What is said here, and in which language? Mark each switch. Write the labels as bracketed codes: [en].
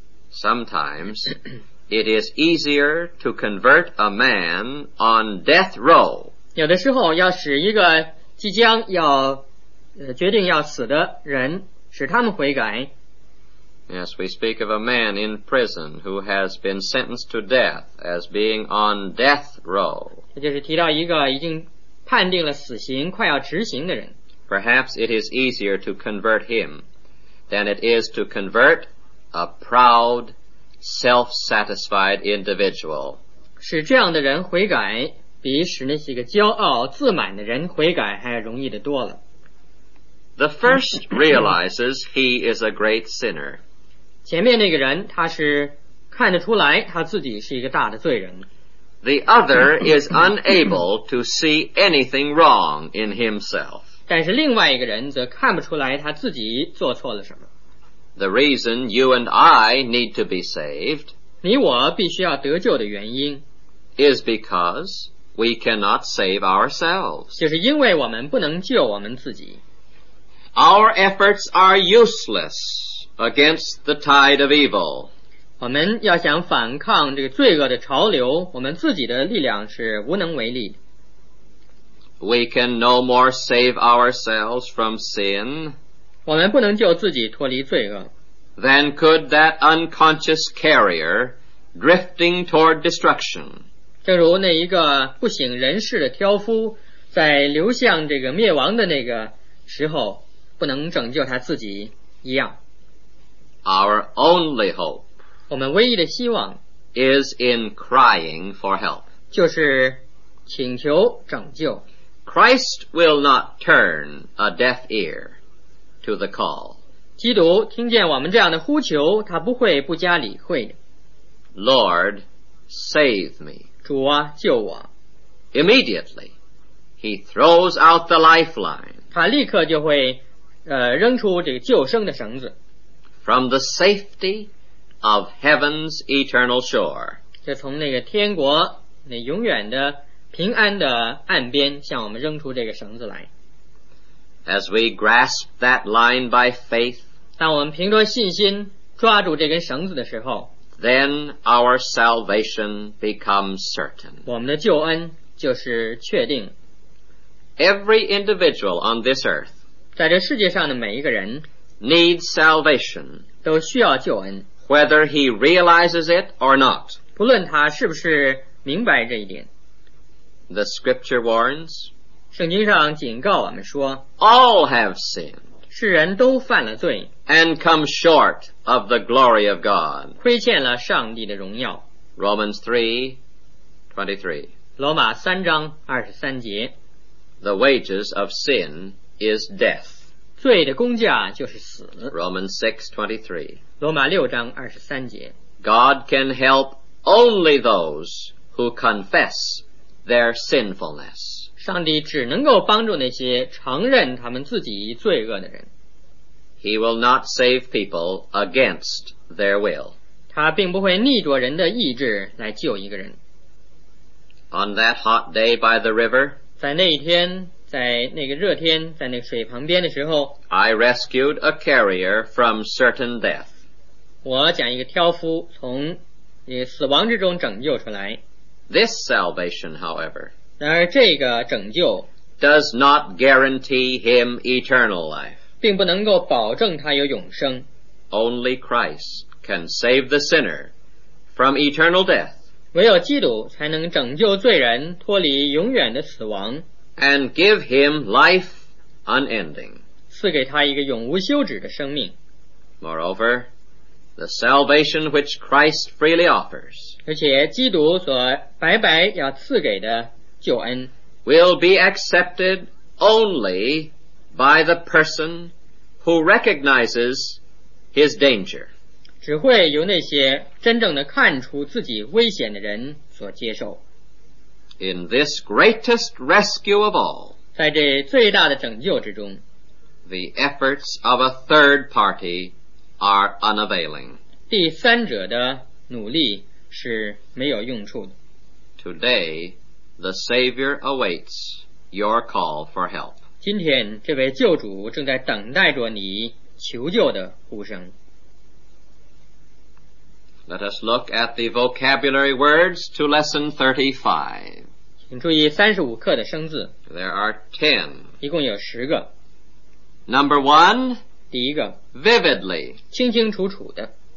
[en] Sometimes it is easier to convert a man on death row. [zh] 有的时候要使一个即将要决定要死的人使他们悔改。 [en] Yes, we speak of a man in prison who has been sentenced to death as being on death row. [zh] 这就是提到一个已经判定了死刑快要执行的人。 [en] Perhaps it is easier to convert him than it is to convert a proud, self-satisfied individual. [zh] 使这样的人悔改比使那些个骄傲自满的人悔改还容易得多了。 [en] The first realizes he is a great sinner. [zh] 前面那个人他是看得出来他自己是一个大的罪人。 [en] The other is unable to see anything wrong in himself. [zh] 但是另外一个人则看不出来他自己做错了什么。 [en] The reason you and I need to be saved, [zh] 你我必须要得救的原因 [en] is because we cannot save ourselves. [zh] 就是因为我们不能救我们自己。 [en] Our efforts are useless against the tide of evil. [zh] 我们要想反抗这个罪恶的潮流，我们自己的力量是无能为力的。 [en] We can no more save ourselves from sin. [zh] 我们不能救自己脱离罪恶。 [en] Than could that unconscious carrier drifting toward destruction. [zh] 正如那一个不省人事的挑夫在流向这个灭亡的那个时候不能拯救他自己一样。 [en] Our only hope. [zh] 我们唯一的希望 [en] is in crying for help. [zh] 就是请求拯救。 [en] Christ will not turn a deaf ear to the call. [zh] 基督听见我们这样的呼求，他不会不加理会的。 [en] Lord, save me. [zh] 主啊，救我。 [en] Immediately, he throws out the lifeline. [zh] 他立刻就会扔出这个救生的绳子。 [en] From the safety of heaven's eternal shore. [zh] 就从那个天国那永远的平安的岸边向我们扔出这个绳子来。 [en] As we grasp that line by faith, [zh] 当我们凭着信心抓住这根绳子的时候 [en] then our salvation becomes certain. [zh] 我们的救恩就是确定。 [en] Every individual on this earth [zh] 在这世界上的每一个人 [en] needs salvation [zh] 都需要救恩 [en] whether he realizes it or not. [zh] 不论他是不是明白这一点。 [en] The scripture warns, [zh] 圣经上警告我们说, [en] all have sinned, [zh] 世人都犯了罪, [en] and come short of the glory of God, [zh] 亏欠了上帝的荣耀。 [en] Romans 3:23, [zh] 罗马三章二十三节, [en] the wages of sin is death, [zh] 罪的工价就是死。 [en] Romans 6:23, [zh] 罗马六章二十三节, [en] God can help only those who confess their sinfulness. [zh] 上帝只能够帮助那些承认他们自己罪恶的人。 [en] He will not save people against their will. [zh] 他并不会逆着人的意志来救一个人。 [en] On that hot day by the river, [zh] 在那一天，在那个热天，在那个水旁边的时候， [en] I rescued a carrier from certain death. [zh] 我将一个挑夫从死亡之中拯救出来。 [en] This salvation, however, [zh] 然而这个拯救 [en] does not guarantee him eternal life. [zh] 并不能够保证他有永生。 [en] Only Christ can save the sinner from eternal death. [zh] 唯有基督才能拯救罪人脱离永远的死亡。 [en] And give him life unending. [zh] 赐给他一个永无休止的生命。 [en] Moreover, the salvation which Christ freely offers. [zh] 而且基督所白白要赐给的救恩 [en] will be accepted only by the person who recognizes his danger. [zh] 只会由那些真正的看出自己危险的人所接受。 [en] In this greatest rescue of all, [zh] 在这最大的拯救之中， [en] the efforts of a third party are unavailing. [zh] 第三者的努力是没有用处的。 [en] Today, the Savior awaits your call for help. [zh] 今天这位救主正在等待着你求救的呼声。 [en] Let us look at the vocabulary words to lesson 35. [zh] 请注意35课的生字。 [en] There are 10. [zh] 一共有10个。 [en] Number one. [zh] 第一个。 [en] Vividly. [zh] 清清楚楚的。